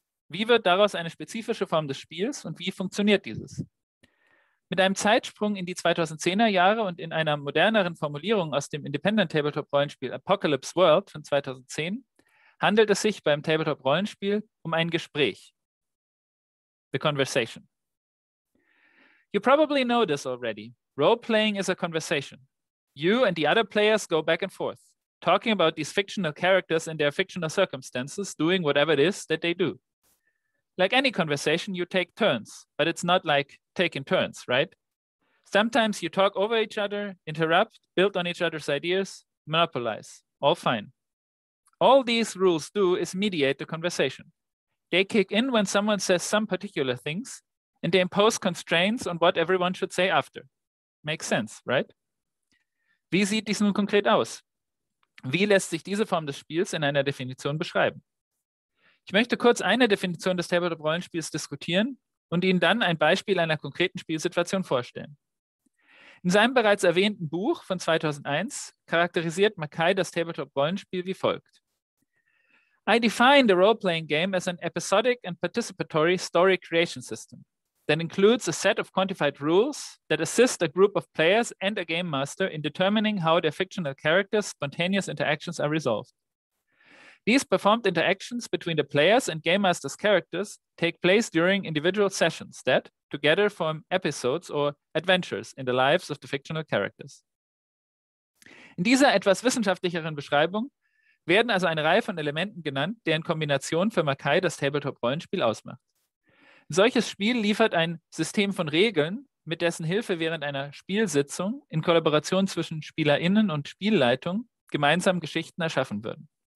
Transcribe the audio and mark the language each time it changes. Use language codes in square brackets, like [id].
[de] Wie wird daraus eine spezifische Form des Spiels und wie funktioniert dieses? Mit einem Zeitsprung in die 2010er Jahre und in einer moderneren Formulierung aus dem Independent-Tabletop-Rollenspiel Apocalypse World von 2010 handelt es sich beim Tabletop-Rollenspiel um ein Gespräch. [en] The conversation. You probably know this already. Role-playing is a conversation. You and the other players go back and forth, talking about these fictional characters and their fictional circumstances, doing whatever it is that they do. Like any conversation, you take turns, but it's not like taking turns, right? Sometimes you talk over each other, interrupt, build on each other's ideas, monopolize, all fine. All these rules do is mediate the conversation. They kick in when someone says some particular things, and they impose constraints on what everyone should say after. Makes sense, right? [de] Wie sieht dies nun konkret aus? Wie lässt sich diese Form des Spiels in einer Definition beschreiben? Ich möchte kurz eine Definition des Tabletop-Rollenspiels diskutieren und Ihnen dann ein Beispiel einer konkreten Spielsituation vorstellen. In seinem bereits erwähnten Buch von 2001 charakterisiert Mackay das Tabletop-Rollenspiel wie folgt. [en] I define the role-playing game as an episodic and participatory story creation system that includes a set of quantified rules that assist a group of players and a game master in determining how their fictional characters' spontaneous interactions are resolved. These performed interactions between the players and Game Master's characters take place during individual sessions that, together, form episodes or adventures in the lives of the fictional characters. [de] In dieser etwas wissenschaftlicheren Beschreibung werden also eine Reihe von Elementen genannt, deren Kombination für Mackay das Tabletop-Rollenspiel ausmacht. Ein solches Spiel liefert ein System von Regeln, mit dessen Hilfe während einer Spielsitzung in Kollaboration zwischen SpielerInnen und Spielleitung gemeinsam Geschichten erschaffen würden.